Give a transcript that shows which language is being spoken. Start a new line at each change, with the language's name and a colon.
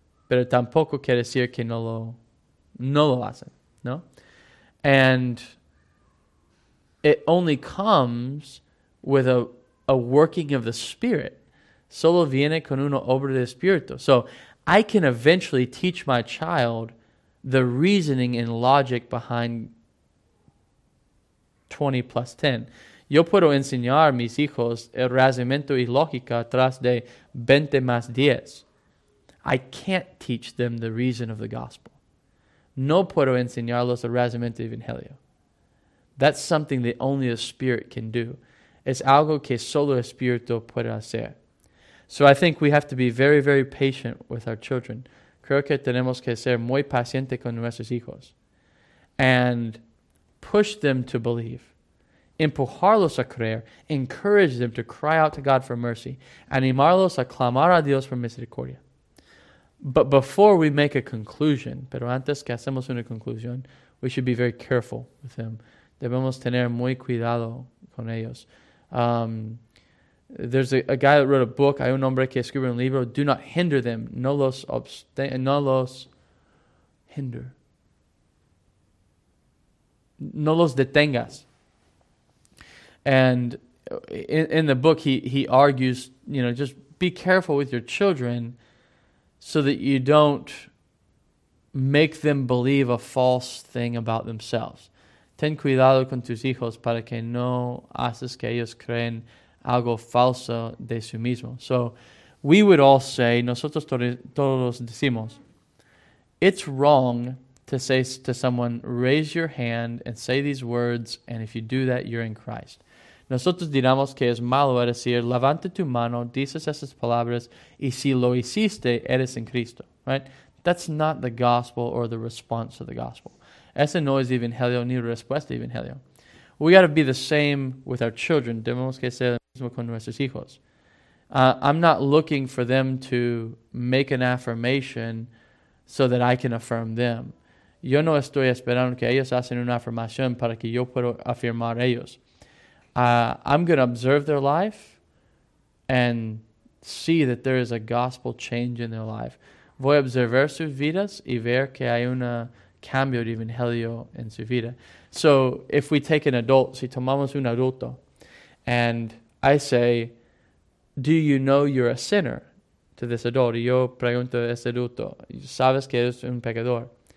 Spanish: Pero tampoco quiere decir que no lo hacen, ¿no?
English: And it only comes with a working of the Spirit.
Spanish: Solo viene con una obra del Espíritu.
English: So I can eventually teach my child the reasoning and logic behind 20 plus 10.
Spanish: Yo puedo enseñar a mis hijos el razonamiento y lógica tras de 20 más 10.
English: I can't teach them the reason of the gospel.
Spanish: No puedo enseñarlos el razonamiento evangelio.
English: That's something that only a spirit can do.
Spanish: Es algo que solo el espíritu puede hacer.
English: So I think we have to be very, very patient with our children.
Spanish: Creo que tenemos que ser muy pacientes con nuestros hijos.
English: And push them to believe.
Spanish: Empujarlos a creer,
English: encourage them to cry out to God for mercy,
Spanish: animarlos a clamar a Dios por misericordia.
English: But before we make a conclusion,
Spanish: pero antes que hacemos una conclusión,
English: we should be very careful with them.
Spanish: Debemos tener muy cuidado con ellos.
English: There's a guy that wrote a book,
Spanish: Hay un hombre que escribe un libro,
English: Do Not Hinder Them, No los detengas. And in the book, he argues, you know, just be careful with your children so that you don't make them believe a false thing about themselves.
Spanish: Ten cuidado con tus hijos para que no haces que ellos creen algo falso de sí mismo.
English: So we would all say,
Spanish: nosotros todos decimos,
English: it's wrong to say to someone, raise your hand and say these words, and if you do that, you're in Christ.
Spanish: Nosotros diríamos que es malo decir, levante tu mano, dices esas palabras, y si lo hiciste, eres en Cristo.
English: Right? That's not the gospel or the response to the gospel.
Spanish: Ese no es evangelio ni respuesta evangelio.
English: We got to be the same with our children.
Spanish: Debemos que ser lo mismo con nuestros hijos.
English: I'm not looking for them to make an affirmation so that I can affirm them.
Spanish: Yo no estoy esperando que ellos hacen una afirmación para que yo pueda afirmar ellos.
English: I'm going to observe their life and see that there is a gospel change in their life.
Spanish: Voy a observar sus vidas y ver que hay una cambio de evangelio en su vida.
English: So if we take an adult,
Spanish: si tomamos un adulto,
English: and I say, do you know you're a sinner to this adult?
Spanish: Y yo pregunto a ese adulto, ¿sabes que eres un pecador?